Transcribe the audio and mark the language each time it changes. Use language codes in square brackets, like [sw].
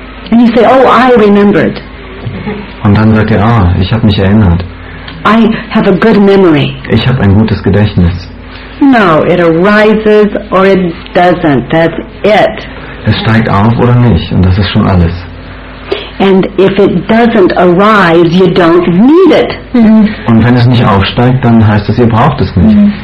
[en] And you say, oh, I remembered. [de] Und dann sagt er, ah, ich habe mich erinnert. [en] I have a good memory. [de] Ich habe ein gutes Gedächtnis. [en] No, it arises or it doesn't. That's it. [de] Es steigt auf oder nicht, und das ist schon alles. [en] And if it doesn't arise, you don't need it. [de] Und wenn es nicht aufsteigt, dann heißt es, ihr braucht es nicht.